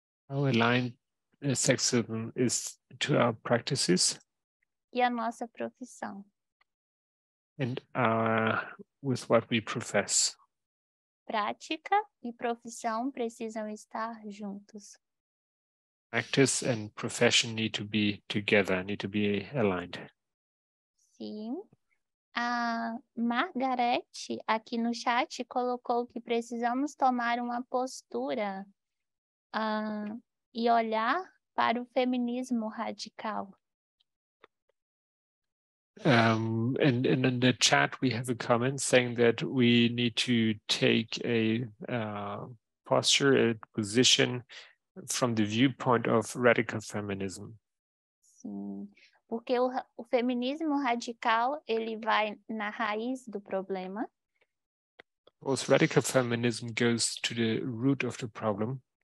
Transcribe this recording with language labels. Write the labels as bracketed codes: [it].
[en] How aligned sexism is to our practices. [pt] E a nossa profissão. [en] And with what we profess. [pt] Prática e profissão precisam estar juntos. [en] Practice and profession need to be together, need to be aligned. [pt] Sim. A Margarete, aqui no chat, colocou que precisamos tomar uma postura e olhar para o feminismo radical. [en] In the chat, we have a comment saying that we need to take a posture, a position from the viewpoint of radical feminism. [pt] Sim, porque o feminismo radical, ele vai na raiz do problema. [en] Both radical feminism goes to the root of the problem.